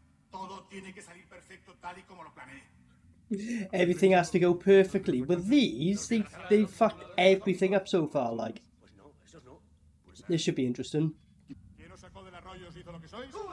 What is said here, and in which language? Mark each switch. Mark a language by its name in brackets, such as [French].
[Spanish] Todo tiene que salir perfecto tal y como lo planeé. [English] Everything has to go perfectly. But these, they fuck everything up so far, like. This should be interesting. [Spanish] ¿Quién os sacó del arroyo y os hizo lo que sois?